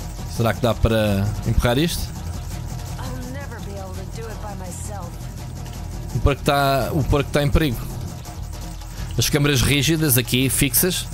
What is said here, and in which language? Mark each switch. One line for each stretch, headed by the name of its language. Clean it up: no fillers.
Portuguese: Será que dá para empurrar isto?
English: I'll never be able to do it by myself.
Portuguese: O porco está em perigo. As câmaras rígidas aqui, fixas.